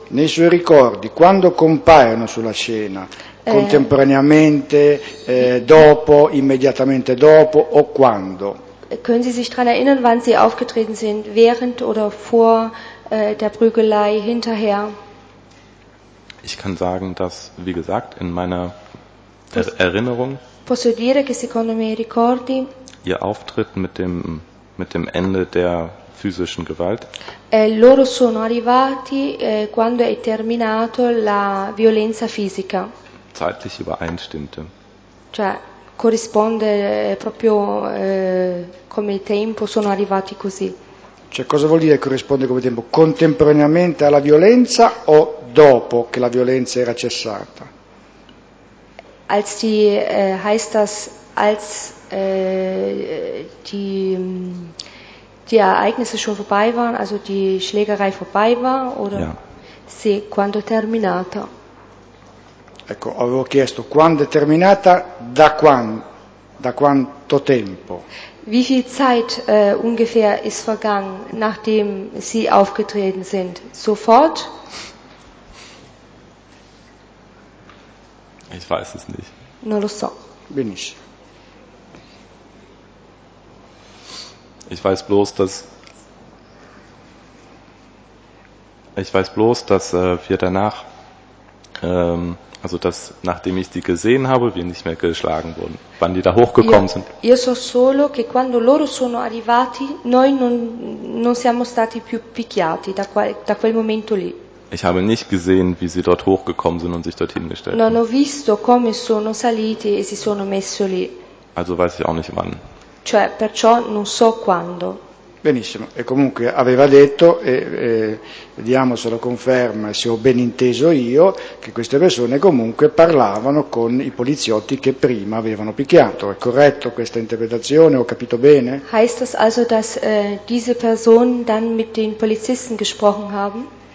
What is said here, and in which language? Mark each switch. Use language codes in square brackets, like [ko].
[it] Nei suoi ricordi, quando compaiono sulla scena, contemporaneamente, dopo, immediatamente dopo o quando? [de] Können Sie sich daran erinnern, wann Sie aufgetreten sind, während oder vor der Prügelei, hinterher? Ich kann sagen, dass, wie gesagt, in meiner Erinnerung. [it] Posso dire che secondo i miei ricordi [de] ihr Auftritt mit dem Ende der physischen Gewalt [it] loro sono arrivati quando è terminato la violenza fisica [de] zeitlich übereinstimmte, [it] cioè corrisponde proprio come tempo, sono arrivati così. Cioè, cosa vuol dire corrisponde come tempo? Contemporaneamente alla violenza o dopo che la violenza era cessata? [de] Als die heißt das, als die Ereignisse schon vorbei waren, also die Schlägerei vorbei war, oder? Ja. [it] Sì, quando è terminata. Ecco, avevo chiesto quando è terminata, da quanto tempo? [de] Wie viel Zeit ungefähr ist vergangen, nachdem Sie aufgetreten sind? Sofort? Ich weiß es nicht. [it] Non lo so. Benissimo. [de] Ich weiß bloß, dass wir danach, also dass nachdem ich die gesehen habe, wir nicht mehr geschlagen wurden, wann die da hochgekommen sind. [it] Io so solo che quando loro sono arrivati, noi non siamo stati più picchiati da quel momento lì. [de] Ich habe nicht gesehen, wie sie dort hochgekommen sind und sich dorthin gestellt. [it] Non ho visto come sono saliti e si sono messo lì. [de] Also weiß ich auch nicht wann. [it] Cioè, perciò non so quando. Benissimo. E comunque aveva detto, vediamo se lo conferma, se ho ben inteso io, che queste persone comunque parlavano con i poliziotti che prima avevano picchiato. È corretto questa interpretazione? Ho capito bene? [de] Heißt das also, dass diese Personen dann mit den Polizisten gesprochen haben?